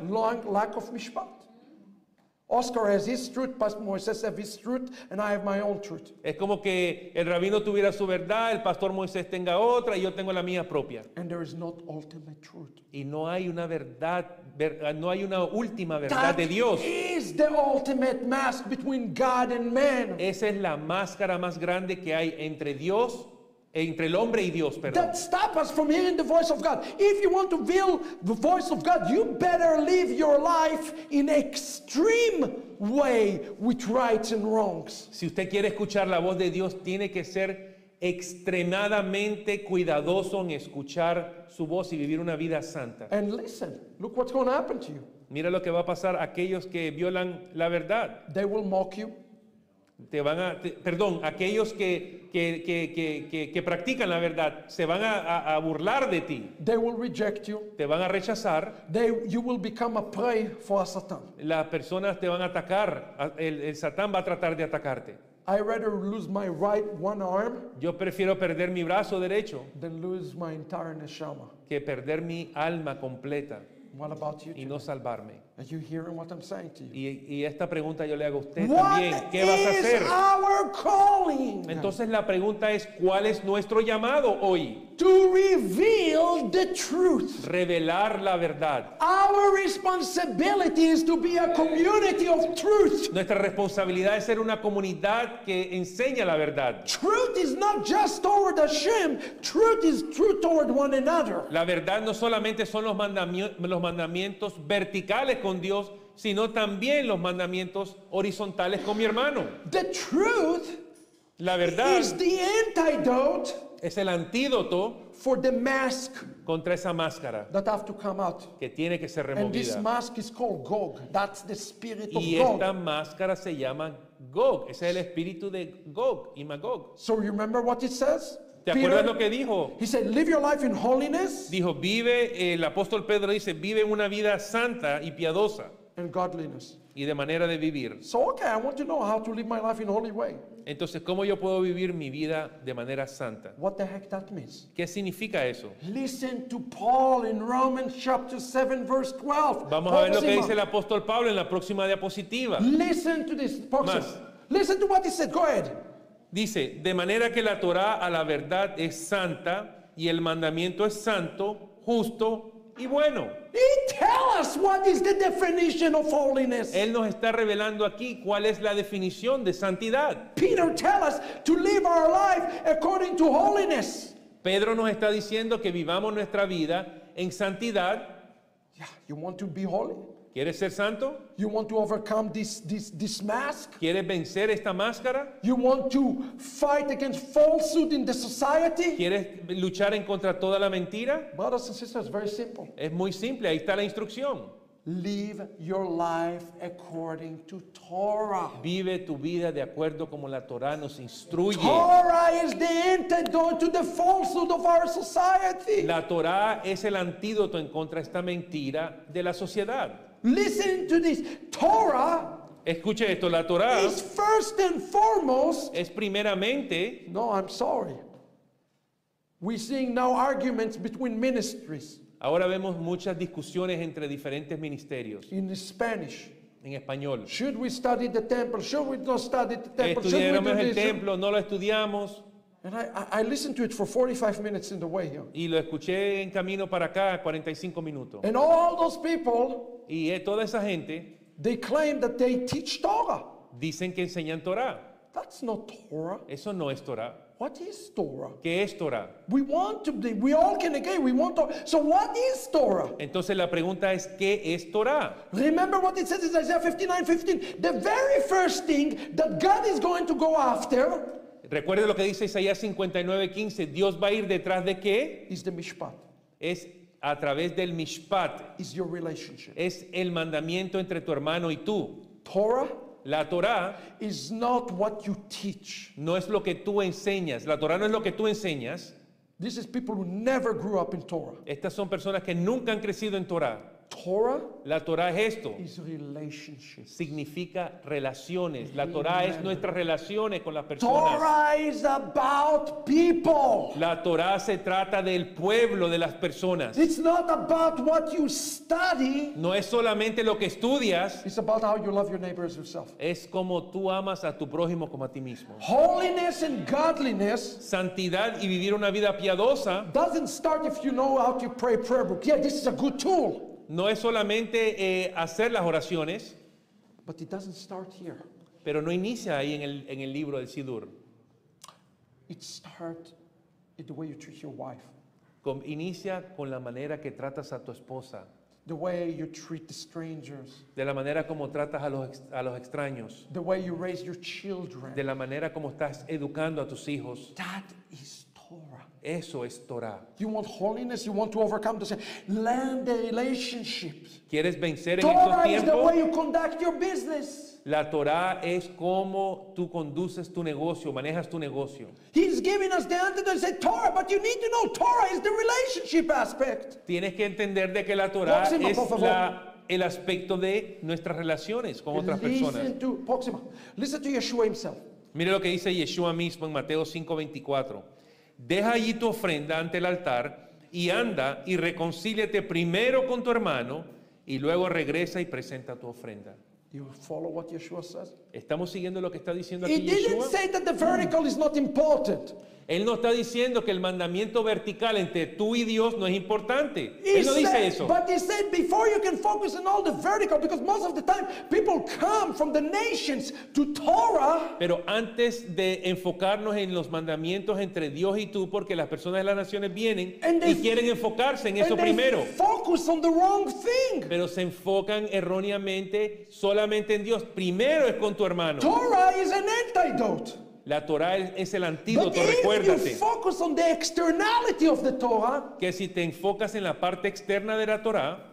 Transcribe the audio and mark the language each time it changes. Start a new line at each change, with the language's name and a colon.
English: Long lack of mishpat. Oscar has his truth, Pastor Moisés has his truth, and I have my own truth.
Spanish: Es como que el rabino tuviera su verdad, el pastor Moisés tenga otra, y yo tengo la mía propia.
English: And there is not ultimate truth.
Spanish: Y no hay una verdad, no hay una última verdad
English: that
Spanish: de Dios.
English: That is the ultimate mask between God and man.
Spanish: Esa es la máscara más grande que hay entre Dios, entre el hombre y Dios, perdón.
English: That stop us from hearing the voice of God. If you want to feel the voice of God, you better live your life in extreme way with rights and wrongs.
Spanish: Si usted quiere escuchar la voz de Dios, tiene que ser extremadamente cuidadoso en escuchar su voz y vivir una vida santa.
English: And listen, look what's going to happen to you.
Spanish: Mira lo que va a pasar a aquellos que violan la verdad.
English: They will mock you.
Spanish: Te van a, perdón, aquellos que practican la verdad se van a burlar de ti.
English: They will reject you.
Spanish: Te van a rechazar.
English: You will become a prey for a Satan.
Spanish: Las personas te van a atacar. El Satán va a tratar de atacarte.
English: I'd rather lose my right one arm.
Spanish: Yo prefiero perder mi brazo derecho.
English: Than lose my entire neshama.
Spanish: Que perder mi alma completa.
English: What about you
Spanish: y no salvarme.
English: Are you hearing what I'm saying to you?
Spanish: Y esta pregunta yo le hago a usted también. ¿Qué vas a hacer?
English: Our calling.
Spanish: Entonces la pregunta es, ¿cuál es nuestro llamado hoy?
English: To reveal the truth.
Spanish: Revelar la verdad.
English: Our responsibility is to be a community of truth.
Spanish: Nuestra responsabilidad es ser una comunidad que enseña la verdad.
English: Truth is not just toward Hashem. Truth is truth toward one another.
Spanish: La verdad no solamente son los mandamientos verticales con Dios, sino también los mandamientos horizontales con mi hermano.
English: The truth.
Spanish: La verdad
English: is the antidote.
Spanish: Es el antídoto
English: for the mask
Spanish: contra esa máscara
English: that have to come out.
Spanish: Que tiene que ser removida.
English: And this mask is called Gog. That's the spirit of
Spanish: y
English: Gog.
Spanish: Esta máscara se llama Gog. Es el espíritu de Gog y Magog.
English: So you remember what it says?
Spanish: ¿Te acuerdas Peter, lo que dijo?
English: He said, live your life in holiness.
Spanish: Dijo, vive, el apóstol Pedro dice, vive una vida santa y piadosa.
English: And godliness.
Spanish: Y de manera de vivir.
English: So okay, I want to know how to live my life in a holy way.
Spanish: Entonces, ¿cómo yo puedo vivir mi vida de manera santa?
English: What the heck that means?
Spanish: ¿Qué significa eso?
English: Listen to Paul in Romans chapter 7 verse 12.
Spanish: Vamos a ver lo que dice el apóstol Pablo en la próxima diapositiva.
English: Listen to this. Más. Listen to what he said. Go ahead.
Spanish: Dice, de manera que la Torá a la verdad es santa y el mandamiento es santo, justo y bueno.
English: He tell us what is the definition of holiness.
Spanish: Él nos está revelando aquí cuál es la definición de santidad.
English: Peter tell us to live our life according to holiness.
Spanish: Pedro nos está diciendo que vivamos nuestra vida en santidad.
English: Yeah, you want to be holy?
Spanish: ¿Quieres ser santo?
English: You want to overcome this mask?
Spanish: ¿Quieres vencer esta máscara?
English: You want to fight against falsehood in the society?
Spanish: ¿Quieres luchar en contra toda la mentira?
English: Brothers and sisters, very simple.
Spanish: Es muy simple, ahí está la instrucción.
English: Live your life according to Torah.
Spanish: Vive tu vida de acuerdo como la Torah nos instruye.
English: Torah is the antidote to the falsehood of our society.
Spanish: La Torah es el antídoto en contra de esta mentira de la sociedad.
English: Listen to this. Torah.
Spanish: Escuche esto, la Torah.
English: Is first and foremost.
Spanish: Es primeramente.
English: No, I'm sorry. We're seeing now arguments between ministries.
Spanish: Ahora vemos muchas discusiones entre diferentes ministerios.
English: In Spanish.
Spanish: En español.
English: Should we study the temple? Should we not study the temple?
Spanish: Estudiamos el templo, no lo estudiamos.
English: And I listened to it for 45 minutes in the way here.
Spanish: Y lo escuché en camino para acá, 45 minutos.
English: And all those people.
Spanish: Y toda esa gente,
English: they claim that they teach Torah.
Spanish: Dicen que enseñan Torah.
English: That's not Torah.
Spanish: Eso no es Torah.
English: What is Torah?
Spanish: ¿Qué es Torah?
English: We want to be, we all can agree, we want Torah. So what is Torah?
Spanish: Entonces la pregunta es, ¿qué es Torah?
English: Remember what it says in Isaiah 59:15. The very first thing that God is going to go after.
Spanish: Recuerde lo que dice Isaías 59:15. Dios va a ir detrás de qué?
English: Is the Mishpat.
Spanish: Es a través del Mishpat.
English: Is your relationship.
Spanish: Es el mandamiento entre tu hermano y tú.
English: Torah.
Spanish: La Torah
English: is not what you teach.
Spanish: No es lo que tú enseñas. La Torah no es lo que tú enseñas.
English: This is people who never grew up in Torah.
Spanish: Estas son personas que nunca han crecido en Torah.
English: Torah,
Spanish: la Torah es esto.
English: Is relationship.
Spanish: Significa relaciones. La Torah es nuestras relaciones con las personas.
English: Torah is about people.
Spanish: La Torah se trata del pueblo, de las personas.
English: It's not about what you study.
Spanish: No es solamente lo que estudias.
English: It's about how you love your neighbor as yourself.
Spanish: Es como tú amas a tu prójimo como a ti mismo.
English: Holiness and godliness.
Spanish: Santidad y vivir una vida piadosa.
English: Doesn't start if you know how to pray prayer book. Yeah, this is a good tool.
Spanish: No es solamente hacer las oraciones,
English: but it doesn't start here.
Spanish: Pero no inicia ahí en el libro del Sidur.
English: It starts in the way you treat your wife.
Spanish: Inicia con la manera que tratas a tu esposa.
English: The way you treat the strangers.
Spanish: De la manera como tratas a los extraños.
English: The way you raise your children.
Spanish: De la manera como estás educando a tus hijos.
English: That is Torah.
Spanish: Eso es Torah.
English: You want holiness, you want to overcome the land the relationships.
Spanish: ¿Quieres vencer Torah en estos tiempos?
English: Is the way you conduct your business.
Spanish: La Torah es como tú conduces tu negocio, manejas tu negocio.
English: He's giving us the antidote and said Torah, but you need to know Torah is the relationship aspect.
Spanish: Tienes que entender de que la Torah es el aspecto de nuestras relaciones con otras personas.
English: Listen to Yeshua himself.
Spanish: Mire lo que dice Yeshua mismo en Mateo 5:24. Deja allí tu ofrenda ante el altar y anda y reconcíliate primero con tu hermano y luego regresa y presenta tu ofrenda.
English: You follow what Yeshua says?
Spanish: Estamos siguiendo lo que está diciendo aquí Yeshua.
English: He didn't say that the vertical is not important.
Spanish: Él no está diciendo que el mandamiento vertical entre tú y Dios no es importante. Él no dice eso.
English: But he said before you can focus on all the vertical, because most of the time people come from the nations to Torah.
Spanish: Pero antes de enfocarnos en los mandamientos entre Dios y tú, porque las personas de las naciones vienen y quieren enfocarse en eso primero.
English: Focus on the wrong thing.
Spanish: Pero se enfocan erróneamente solamente en Dios. Primero es con tu hermano.
English: Torah is an antidote.
Spanish: La Torah es el antídoto, recuérdate.
English: You focus on the externality of the Torah,
Spanish: que si te enfocas en la parte externa de la Torah,